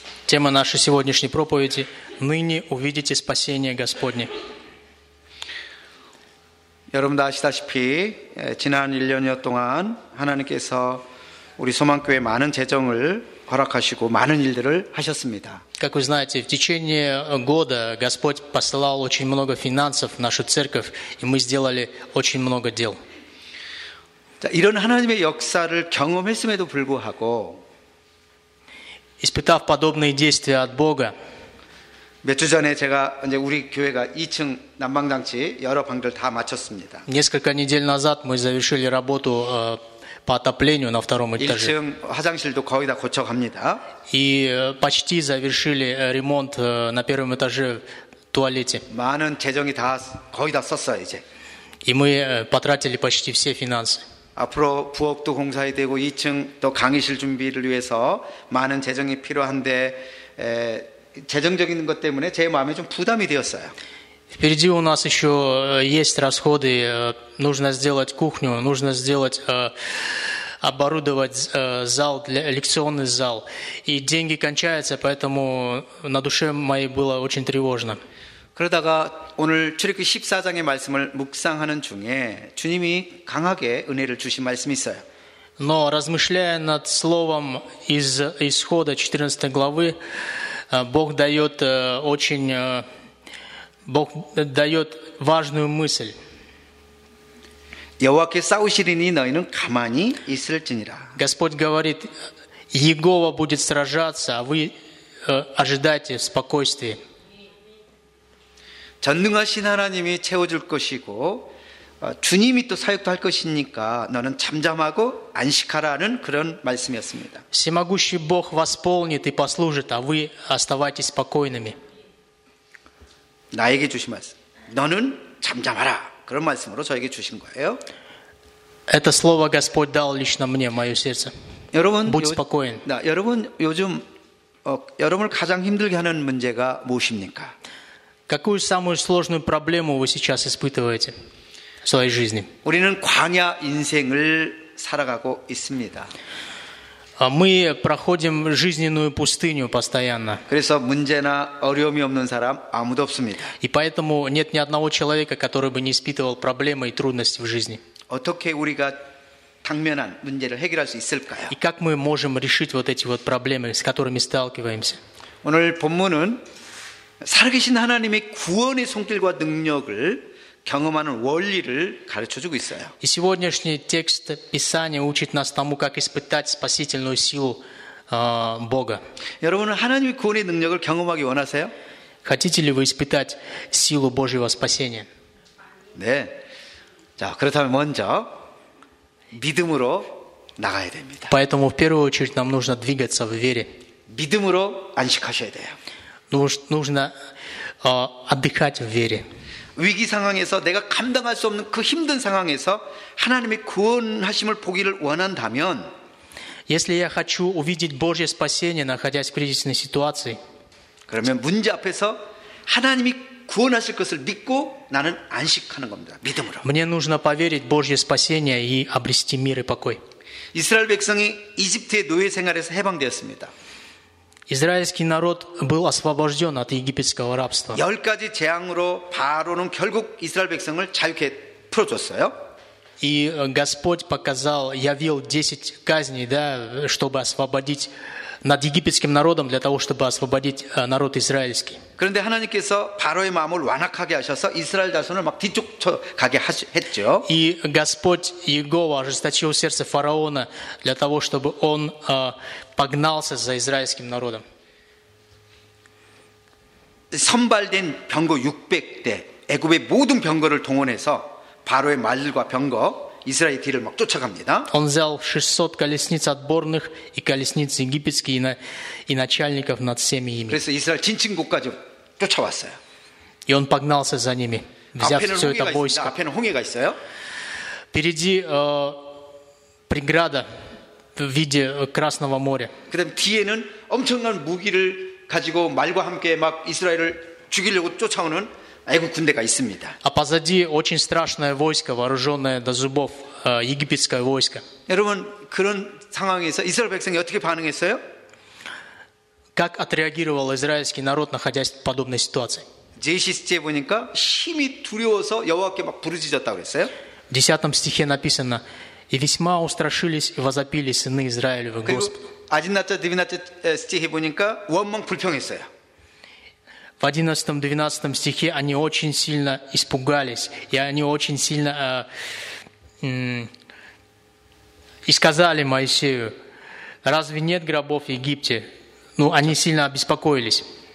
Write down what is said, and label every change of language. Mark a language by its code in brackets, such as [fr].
[ru] Тема нашей сегодняшней проповеди – «Ныне увидите спасение Господне». [ko] 여러분도 아시다시피 지난 1년여 동안 하나님께서 우리 소망교회 많은 재정을 허락하시고 많은 일들을 하셨습니다. [ru] Как вы знаете, в течение года Господь посылал очень много финансов в нашу церковь, и мы сделали очень много дел. [ko] 자, 이런 하나님의 역사를 경험했음에도 불구하고 [ru] испытав подобные действия от Бога. [ko] 몇 주 전에 제가 이제 우리 교회가 2층 난방장치 여러 방들 다 마쳤습니다. [ru] Несколько недель назад мы завершили работу по отоплению на втором этаже. [ko] 1층 화장실도 거의 다 고쳐갑니다. [ru] И почти завершили ремонт на первом этаже в туалете. [ko] 많은 재정이 다 거의 다 썼어요, 이제. [ru] И мы потратили почти все финансы. [ko] 앞으로 부엌도 공사해야 되고 2층 또 강의실 준비를 위해서 많은 재정이 필요한데 재정적인 것 때문에 제 마음에 좀 부담이 되었어요. [ru] Впереди у нас еще есть расходы. Нужно сделать кухню, нужно сделать оборудовать зал для лекционный зал. И деньги кончаются, поэтому на душе моей было очень тревожно. [ko] 그러다가 오늘 출애굽기 14장의 말씀을 묵상하는 중에 주님이 강하게 은혜를 주신 말씀이 있어요. [ru] Но размышляя над словом из исхода 14 главы Бог дает важную мысль. [ko] 여호와께 싸우시리니 너희는 가만히 있을지니라. [ru] Господь говорит: Иегова будет сражаться, а вы ожидайте в спокойствии. [ko] 전능하신 하나님이 채워줄 것이고 주님이 또 사역도 할 것이니까 너는 잠잠하고 안식하라는 그런 말씀이었습니다. [ru] Всемогущий Бог восполнит и послужит, а вы оставайтесь спокойными. [ko] 나에게 주신 말씀. 너는 잠잠하라. 그런 말씀으로 저에게 주신 거예요. [ru] Это слово Господь дал лично мне, мое сердце. [ko] 여러분, [ru] будь спокоен. [ko] 여러분 요즘 여러분을 가장 힘들게 하는 문제가 무엇입니까? [ru] Какую самую сложную проблему вы сейчас испытываете? В своей жизни. [ko] 우리는 광야 인생을 살아가고 있습니다. [ru] Мы проходим жизненную пустыню постоянно. [ko] 그래서 문제나 어려움이 없는 사람 아무도 없습니다. [ru] И поэтому нет ни одного человека, который бы не испытывал проблемы и трудности в жизни. [ko] 어떻게 우리가 당면한 문제를 해결할 수 있을까요? [ru] И как мы можем решить вот эти вот проблемы, с которыми сталкиваемся? [ko] 오늘 본문은 살아계신 하나님의 구원의 손길과 능력을 경험하는 원리를 가르쳐 주고 있어요. [ru] И сегодняшний текст Писания учит нас тому, как испытать спасительную силу Бога. [ko] 여러분은 하나님의 구원의 능력을 경험하기 원하세요? Хотите ли вы испытать силу Божьего спасения? 네. 자, 그렇다면 먼저 믿음으로 나가야 됩니다. [ru] Поэтому в первую очередь нам нужно двигаться в вере. [ko] 믿음으로 안식하셔야 돼요. [ru] Нужно отдыхать в вере. [ko] 위기 상황에서 내가 감당할 수 없는 그 힘든 상황에서 하나님의 구원하심을 보기를 원한다면 [ru] Если я хочу увидеть Божье спасение, находясь в кризисной ситуации, [ko] 그러면 문제 앞에서 하나님이 구원하실 것을 믿고 나는 안식하는 겁니다. 믿음으로. [ru] Мне нужно поверить в Божье спасение и обрести мир и покой. [ko] 이스라엘 백성이 이집트의 노예 생활에서 해방되었습니다. [ru] Израильский народ был освобожден от египетского рабства. [ko] 열 가지 재앙으로 바로는 결국 이스라엘 백성을 자유케 풀어줬어요. [ru] И Господь показал, явил 10 казней, да, чтобы освободить над египетским народом для того, чтобы освободить народ израильский. [ko] 그런데 하나님께서 바로의 마음을 완악하게 하셔서 이스라엘 자손을 막 뒤쫓아 가게 했죠. [ru] И Господь Иегова ожесточил сердце фараона для того, чтобы он погнался за израильским народом. [ko] 선발된 병거 600대 애굽의 모든 병거를 동원해서 바로의 말들과 병거 이스라엘 뒤를 막 쫓아갑니다. [ru] Он взял 600 колесниц отборных и колесниц египетских и начальников над всеми ими. [ko] 그래서 이스라엘 진친 곳까지 쫓아왔어요. [ru] И он погнался за ними, взяв все это войско. [ko] 앞에는 홍해가 있어요. [ru] Впереди преграда в виде Красного моря. [ko] 그다음 뒤에는 엄청난 무기를 가지고 말과 함께 막 이스라엘을 죽이려고 쫓아오는 애굽 군대가 있습니다. [ru] А позади очень страшное войско, вооруженное до зубов, египетское войско. [ko] 여러분 그런 상황에서 이스라엘 백성이 어떻게 반응했어요? [ru] Как отреагировал израильский народ, находясь в подобной ситуации? [ko] 제시스티에 보니까 심히 두려워서 여호와께 막 부르짖었다 그랬어요. [ru] 10 стихе написано: и весьма устрашились и возопили сыны Израилевы Господу. 11, 12 стихе [ko] 보니까 원망 불평했어요. [ru] В 11-12 стихе они очень сильно испугались, и они очень сильно и сказали Моисею: разве нет гробов в Египте? Ну, они сильно обеспокоились.